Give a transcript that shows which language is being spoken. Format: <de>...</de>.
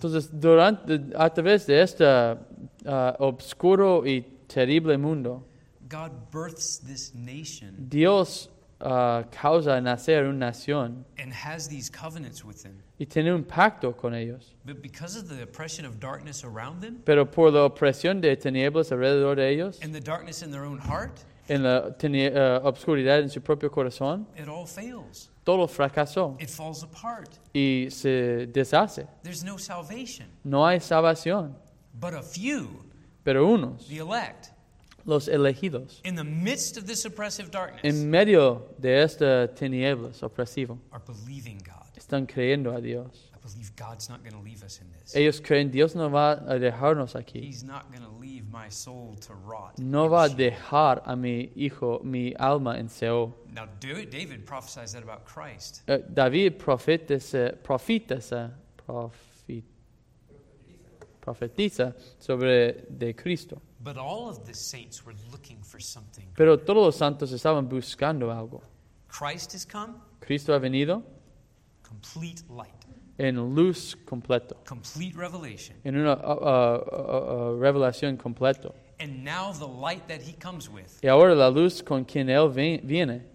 <es>Entonces durante a través de este oscuro y terrible mundo.</es> <en>God births this nation.</en> <es>Dios causa nacer una nación.</es> <en>And has these covenants with them.</en> <es>Y tiene un pacto con ellos.</es> <en>But because of the oppression of darkness around them.</en> <es>Pero por la opresión de tinieblas alrededor de ellos.</es> <en>And the darkness in their own heart.</en> <es>En la obscuridad en su propio corazón.</es> <en>It all fails.</en> <es>Todo fracasó.</es> <en>It falls apart.</en> <es>Y se deshace.</es> <en>There's no salvation.</en> <es>No hay salvación.</es> <en>But a few.</en> <es>Pero unos,</es> <en>the elect,</en> <es>los elegidos,</es> <en>in the midst of this oppressive darkness,</en> <es>en medio de esta tinieblas opresivo,</es> <en>are believing God.</en> <es>Están creyendo a Dios.</es> <en>I believe God's not going to leave us in this.</en> <es>Ellos creen Dios no va a dejarnos aquí.</es> <en>He's not going to leave my soul to rot.</en> <es>No va a dejar a mi hijo, mi alma en Seol.</es> <en>Now David prophesies that about Christ.</en> <es>David profetiza sobre de Cristo.</es> <en>But all of the saints were looking for something.</en> <es>Pero todos los santos estaban buscando algo.</es> <en>Christ has come.</en> <es>Cristo ha venido.</es> <en>Complete light.</en> <es>En luz completo.</es> <en>Complete revelation.</en> <es>En una revelación completo.</es> <en>And now the light that he comes with.</en> <es>Y ahora la luz con quien él viene.</es>